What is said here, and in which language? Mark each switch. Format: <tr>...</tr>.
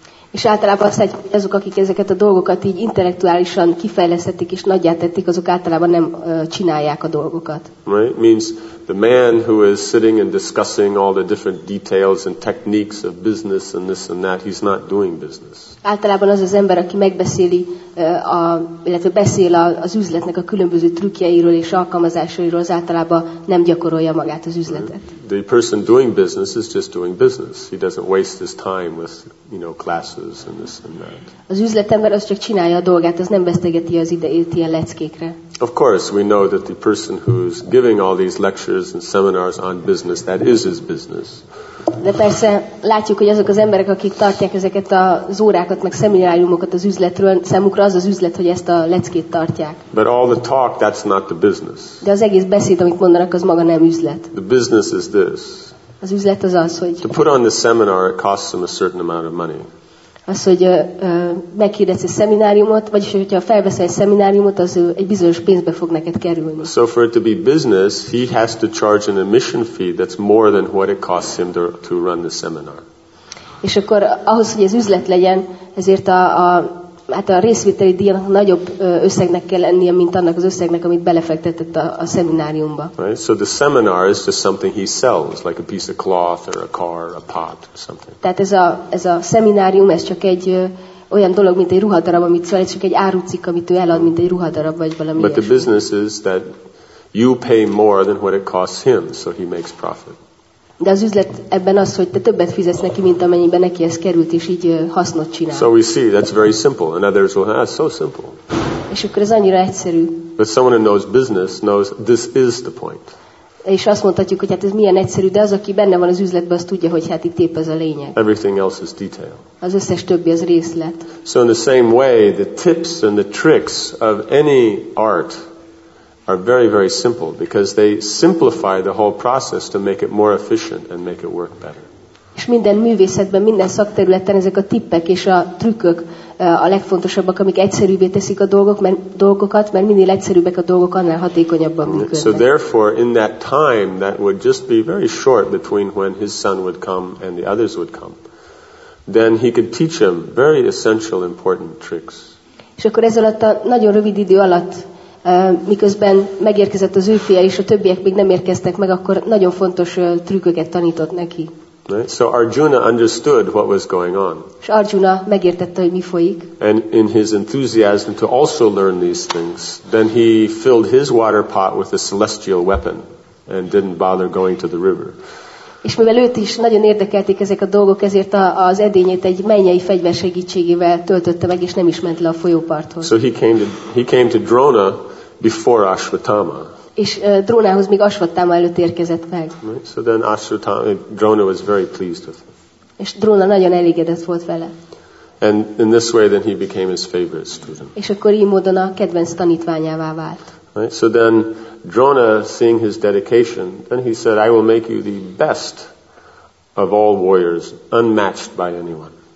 <hu>És általában azok, akik ezeket a dolgokat így intellektuálisan kifejlesztették és nagyjátették, azok általában nem csinálják a dolgokat.</hu> <en>Right? Means the man who is sitting and discussing all the different details and techniques of business and this and that, he's not doing business.</en> <hu>Általában az az ember, aki megbeszéli, illetve beszél az üzletnek a különböző trükkjeiről és alkalmazásairól, az általában nem gyakorolja magát az üzletet.</hu> <en>The person doing business is just doing business. He doesn't waste his time with, you know, classes and this and that.</en> <hu>Az üzletember az csak csinálja a dolgát, az nem vesztegeti az idejét ilyen leckékre.</hu> <en>Of course, we know that the person who's giving all these lectures and seminars on business, that is his business.</en> <hu>De persze látjuk, hogy azok az emberek, akik tartják ezeket az órákat, meg szemináriumokat az üzletről, számukra az az üzlet, hogy ezt a leckét tartják.</hu> <en>But all the talk, that's not the business.</en> <hu>De az egész beszéd, amit mondanak, az maga nem üzlet.</hu> <en>The business is this.</en> <hu>Az üzlet az az, hogy...</hu> <en>To put on the seminar, it costs them a certain amount of money.</en> <hu>Az, hogy meghirdetsz egy szemináriumot, vagyis hogyha felveszel egy szemináriumot, az egy bizonyos pénzbe fog neked kerülni.</hu> <en>So for it to be business, he has to charge an admission fee that's more than what it costs him to run the seminar.</en> <hu>És akkor ahhoz, hogy ez üzlet legyen, ezért a részvételi díjnak nagyobb összegnek kell lennie, mint annak az összegnek, amit belefektetett a szemináriumba.</hu> <en>Right? So the seminar is just something he sells, like a piece of cloth or a car or a pot or something.</en> <hu>Tehát ez a szeminárium, ez csak egy olyan dolog, mint egy ruhadarab, amit szól, ez csak egy árucikk, amit ő elad, mint egy ruhadarab vagy valami.</hu> <en>But the business is that you pay more than what it costs him, so he makes profit.</en> <hu>De az üzlet ebben az, hogy te többet fizetsz neki, mint amennyiben neki ez került, és így hasznot csinál.</hu> <en>So we see, that's very simple. And others will, that's so simple.</en> <hu>És akkor ez annyira egyszerű.</hu> <en>But someone who knows business knows this is the point.</en> <hu>És azt mondhatjuk, hogy hát ez milyen egyszerű, de az, aki benne van az üzletben, az tudja, hogy hát itt épp ez a lényeg.</hu> <en>Everything else is detail.</en> <hu>Az összes többi az részlet.</hu> <en>So in the same way, the tips and the tricks of any art are very, very simple because they simplify the whole process to make it more efficient and make it work better.</en> <hu>És minden művészetben, minden szakterületen ezek a tippek és a trükkök a legfontosabbak, amik egyszerűbbé teszik a dolgokat, mert minél egyszerűbbek a dolgok, annál hatékonyabban működnek.</hu> <en>So therefore, in that time, that would just be very short between when his son would come and the others would come, then he could teach him very essential, important tricks.</en> <hu>És akkor ez alatt a nagyon rövid idő alatt, miközben megérkezett az ő fia, és a többiek még nem érkeztek meg, akkor nagyon fontos trükköket tanított neki.</hu> <en>Right? So Arjuna understood what was going on.</en> <hu>És Arjuna megértette, hogy mi folyik.</hu> <en>And in his enthusiasm to also learn these things, then he filled his water pot with a celestial weapon and didn't bother going to the river.</en> <hu>És mivel őt is nagyon érdekelték ezek a dolgok, ezért az edényét egy mennyei fegyver segítségével töltötte meg, és nem is ment le a folyóparthoz.</hu> <en>So he came to Drona before Ashwatthama.</en> <hu>És Drónához még Ashwatthama előtt érkezett meg.</hu> <en>Right? So then Ashwatthama, Drona was very pleased with him.</en> <hu>És Drona nagyon elégedett volt vele.</hu> <en>And in this way then he became his favorite student.</en> <hu>És akkor így módon a kedvenc tanítványává vált.</hu> <en>Right? So then Drona, seeing his dedication, then he said, I will make you the best of all warriors, unmatched by anyone.</en>